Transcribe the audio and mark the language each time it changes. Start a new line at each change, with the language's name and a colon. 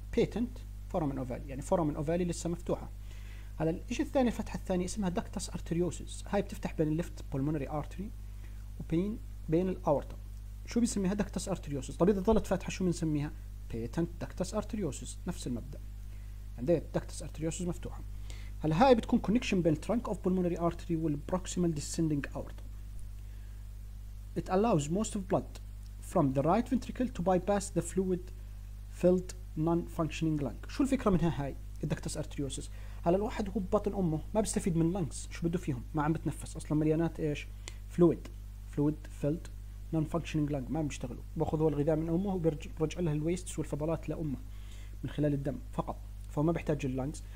Arabic: بيتنت فورامن اوفالي يعني فورامن اوفالي لسه مفتوحه. هذا الشيء الثاني، الفتحه الثانيه اسمها دكتس ارتريوسس، هاي بتفتح بين الليفت بولمونري ارتري وبين بين الاورتا. شو بنسميها؟ دكتس ارتريوسس. طب اذا ظلت فاتحه شو بنسميها؟ بيتنت دكتس ارتريوسس، نفس المبدا. عندك دكتس ارتريوسس مفتوحه. هلا هاي بتكون كونكشن بين ترانك اوف بولمونري ارتري والبروكسيمال ديسندنج اورتا.
English: It allows most of blood from the right ventricle to bypass the fluid filled non-functioning lung.
Arabic: شو الفكرة منها هاي الدكتس ارتريوسس؟ هلا الواحد هو ببطن امه ما بيستفيد من lungs، شو بده فيهم؟ ما عم بتنفس اصلا، مليانات ايش؟ fluid،
English: fluid filled non-functioning lung،
Arabic: ما عم بيشتغلوا. باخذ هو الغذاء من امه وبرجع لها الويست والفضلات لامه من خلال الدم فقط، فهو ما بيحتاج lungs.